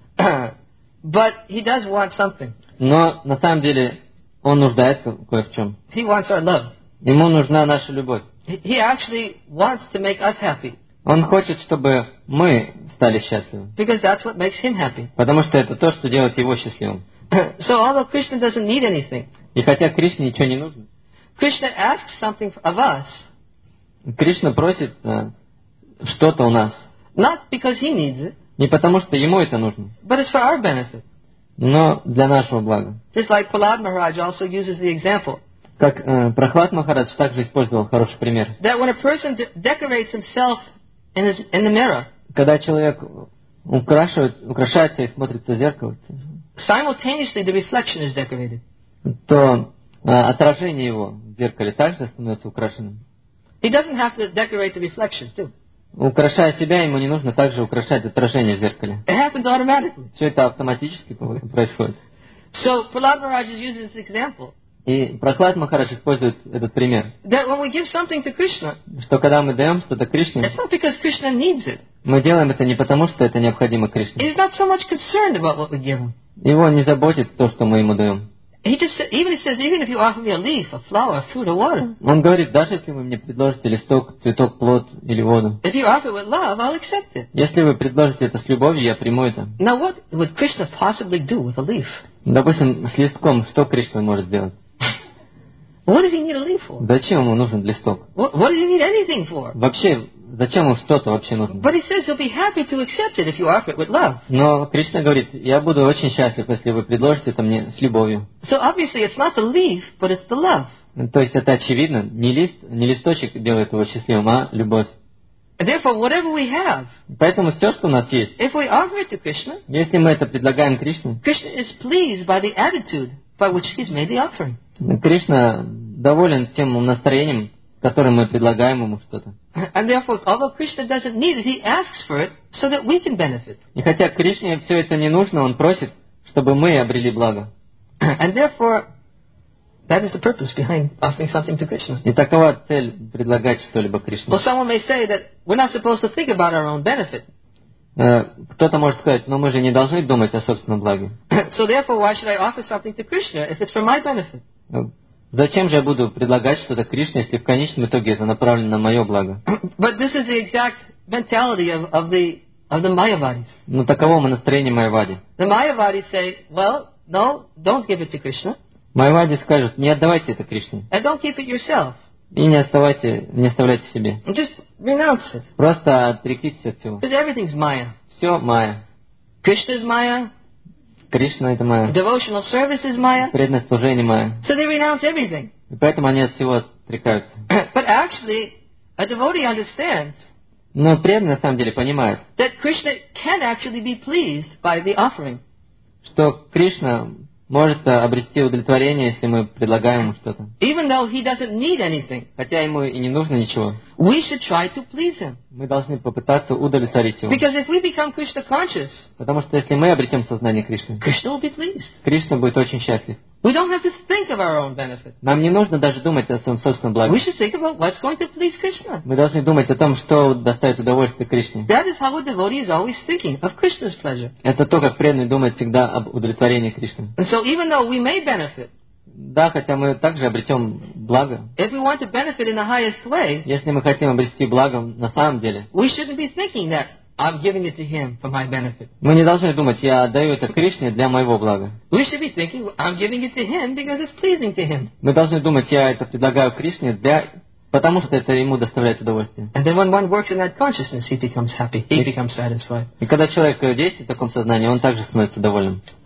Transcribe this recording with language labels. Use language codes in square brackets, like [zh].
[en] But he does want something. [ru] Но на самом деле он нуждается кое в чем. [en] He wants our love. [ru] Ему нужна наша любовь. [en] He actually wants to make us happy. [ru] Он хочет, чтобы мы стали счастливы. [en] Because that's what makes him happy. [ru] Потому что это то, что делает его счастливым. [en] So although Krishna doesn't need anything. [ru] И хотя Кришне ничего не нужно. [en] Krishna asks something of us. [ru] Кришна просит что-то у нас. [en] Not because he needs it. [ru] Не потому что ему это нужно. [en] But it's for our benefit. [ru] Но для нашего блага. [en] Just like Prahlad Maharaj also uses the example. [ru] Как Прохлад Махарадж также использовал хороший пример. [en] That when a person decorates himself in his, in the mirror, [ru] когда человек украшается и смотрится в зеркало, [en] simultaneously the reflection is decorated. [ru] То отражение его в зеркале также становится украшенным. [en] He doesn't have to decorate the reflection too. [ru] Украшая себя, ему не нужно также украшать отражение в зеркале. [en] It happens automatically. [ru] Все это автоматически происходит. [en] So Prahlad Maharaj uses this example. [ru] И Прохлад Махарадж использует этот пример. [en] That when we give something to Krishna, [ru] что когда мы даем что-то Кришне, [en] it's not because Krishna needs it. [ru] Мы делаем это не потому, что это необходимо Кришне. [en] He's not so much concerned about what we give him. [ru] Его не заботит то, что мы ему даем. Он говорит, даже если вы мне предложите листок, цветок, плод или воду, [en] if you offer with love, I'll accept it. [ru] Если вы предложите это с любовью, я приму это. [en] Now what would Krishna possibly do with a leaf? [ru] Допустим, с листком, что Кришна может сделать? [en] What does he need a leaf for? [ru] Зачем ему нужен листок? [en] What does he need anything for? [ru] Вообще, зачем ему что-то вообще нужно? [en] But he says he'll be happy to accept it if you offer it with love. [ru] Но Кришна говорит, я буду очень счастлив, если вы предложите это мне с любовью. [en] So obviously it's not the leaf, but it's the love. [ru] То есть это очевидно, не лист, не листочек делает его счастливым, а любовь. [en] Therefore, whatever we have. [ru] Поэтому все, что у нас есть. [en] If we offer it to Krishna. [ru] Если мы это предлагаем Кришне. [en] Krishna is pleased by the attitude by which he's made the offering. [ru] Кришна доволен тем настроением, которым мы предлагаем ему что-то. [en] And therefore, although Krishna doesn't need it, he asks for it so that we can benefit. [ru] И хотя Кришне все это не нужно, он просит, чтобы мы обрели благо. [en] And therefore, that is the purpose behind offering something to Krishna. [ru] И такова цель предлагать что-либо Кришне. [en] Well, someone may say that we're not supposed to think about our own benefit. [ru] Кто-то может сказать, но мы же не должны думать о собственном благе. [en] So therefore, why should I offer something to Krishna if it's for my benefit? [ru] Зачем же я буду предлагать что-то Кришне, если в конечном итоге это направлено на мое благо? [en] But this is the exact mentality of the Mayavadis. [ru] Но таково настроение Майявади. [en] The Mayavadis say, well, no, don't give it to Krishna. [ru] Майявади скажут, не отдавайте это Кришне. [en] And don't keep it yourself. [ru] И не оставляйте себе. [en] And just renounce it. [ru] Просто отрекитесь от всего. [en] Because everything's Maya. [ru] Все Maya. [en] Krishna is Maya. [ru] Кришна – это Майя. [en] Devotional service is Maya. [ru] Преданное служение – Майя. [en] So they renounce everything. [ru] И поэтому они от всего отрекаются. [en] But actually, a devotee understands. [ru] Но преданный на самом деле понимает. [en] That Krishna can actually be pleased by the offering. [ru] Что Кришна может обрести удовлетворение, если мы предлагаем ему что-то. [en] Even though he doesn't need anything. [ru] Хотя ему и не нужно ничего. [en] We should try to please him. [ru] Мы должны попытаться удовлетворить его. [en] Because if we become Krishna conscious. [ru] Потому что если мы обретем сознание Кришны. [en] Krishna will be pleased. [ru] Кришна будет очень счастлив. [en] We don't have to think of our own benefit. [ru] Нам не нужно даже думать о своем собственном благе. [en] We should think about what's going to please Krishna. [ru] Мы должны думать о том, что доставит удовольствие Кришне. [en] That is how a devotee is always thinking of Krishna's pleasure. [ru] Это то, как преданный думает всегда об удовлетворении Кришны. [en] And so even though we may benefit. [ru] Да, хотя мы также обретем благо. [en] If we want to benefit in the highest way. [ru] Если мы хотим обрести благо на самом деле. [en] We shouldn't be thinking that I'm giving it to him for my benefit. [ru] Мы не должны думать, я отдаю это Кришне для моего блага. [en] We should be thinking, I'm giving it to him because it's pleasing to him. [ru] Мы должны думать, я это предлагаю Кришне для, потому что это ему доставляет удовольствие. [en] And then when one works in that consciousness, he becomes happy. He becomes satisfied. [ru] И когда человек действует в таком сознании, он также становится довольным.